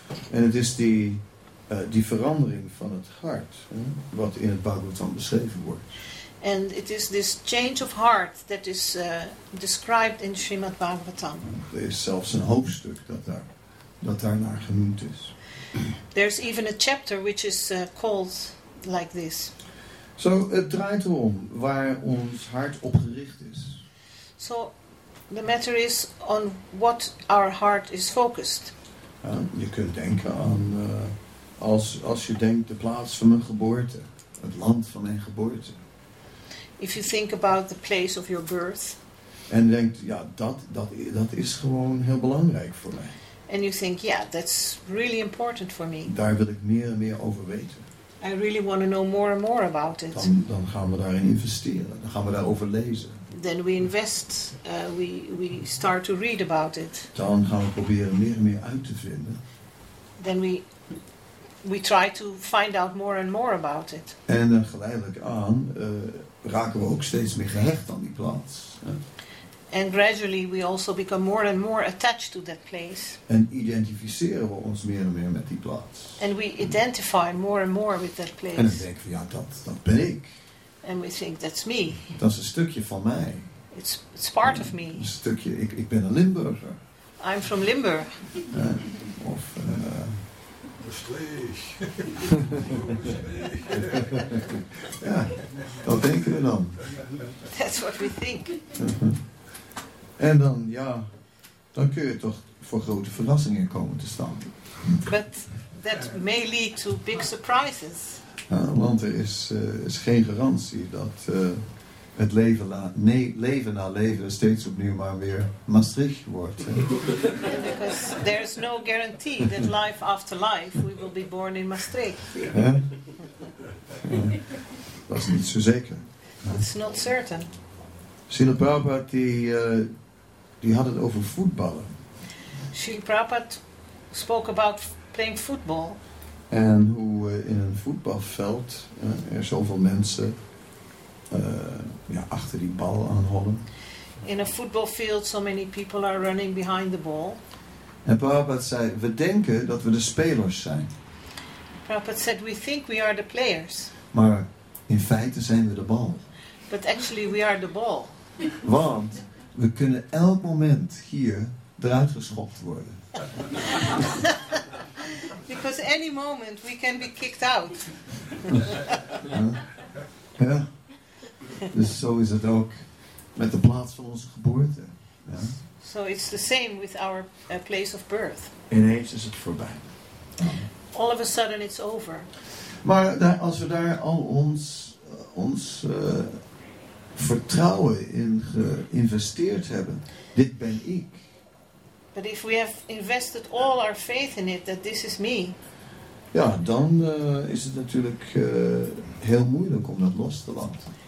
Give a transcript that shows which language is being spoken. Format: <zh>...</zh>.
<nl>En het is die verandering van het hart wat in het Bhagavatam beschreven wordt.</nl> <en>And it is this change of heart that is described in Srimad Bhagavatam.</en> <nl>Er is zelfs een hoofdstuk dat daar naar genoemd is.</nl> <en>There's even a chapter which is called like this.</en> <nl>So het draait erom waar ons hart op gericht is.</nl> <en>So the matter is on what our heart is focused.</en> <nl>Je kunt denken aan als je denkt de plaats van mijn geboorte, het land van mijn geboorte.</nl> <en>If you think about the place of your birth.</en> <nl>En denkt, ja, dat is gewoon heel belangrijk voor mij.</nl> <en>And you think, yeah, that's really important for me.</en> <nl>Daar wil ik meer en meer over weten.</nl> <en>I really want to know more and more about it.</en> <nl>Dan gaan we daarin investeren. Dan gaan we daarover lezen.</nl> <en>Then we invest, we start to read about it.</en> <nl>Dan gaan we proberen meer en meer uit te vinden.</nl> <en>Then we try to find out more and more about it.</en> <nl>En geleidelijk aan raken we ook steeds meer gehecht aan die plaats.</nl> <en>And gradually we also become more and more attached to that place.</en> <nl>En identificeren we ons meer en meer met die plaats.</nl> <en>And we identify more and more with that place.</en> <nl>En dan denken we, ja, dat ben ik.</nl> <en>And we think, that's me.</en> <nl>Dat is een stukje van mij.</nl> <en>It's part of me.</en> <nl>Een stukje, ik ben een Limburger.</nl> <en>I'm from Limburg.</en> <nl>Of ja, dat denken we dan.</nl> <en>That's what we think.</en> <nl>En dan, ja, dan kun je toch voor grote verrassingen komen te staan.</nl> <en>But that may lead to big surprises.</en> <nl>Ja, want er is geen garantie dat het leven leven na leven steeds opnieuw maar weer Maastricht wordt.</nl> <en>Because there is no guarantee that life after life we will be born in Maastricht.</en> <nl>Dat is niet zo zeker.</nl> <en>It's not certain.</en> <nl>Srila Prabhupada die had het over voetballen.</nl> <en>Srila Prabhupada spoke about playing football.</en> <nl>En hoe in een voetbalveld er zoveel mensen achter die bal aanhollen.</nl> <en>In a football field so many people are running behind the ball.</en> <nl>En Prabhupada zei, we denken dat we de spelers zijn.</nl> <en>Prabhupada said, we think we are the players.</en> <nl>Maar in feite zijn we de bal.</nl> <en>But actually we are the ball.</en> <nl>Want we kunnen elk moment hier eruit geschopt worden.</nl> <en>Because any moment we can be kicked out. Ja. Ja.</en> <nl>Dus zo is het ook met de plaats van onze geboorte. Ja.</nl> <en>So it's the same with our place of birth.</en> <nl>Ineens is het voorbij.</nl> <en>All of a sudden it's over.</en> <nl>Maar als we daar al ons vertrouwen in geïnvesteerd hebben. Dit ben ik.</nl> <en>But if we have invested all our faith in it, that this is me.</en> <nl>Ja, dan is het natuurlijk heel moeilijk om dat los te laten.</nl>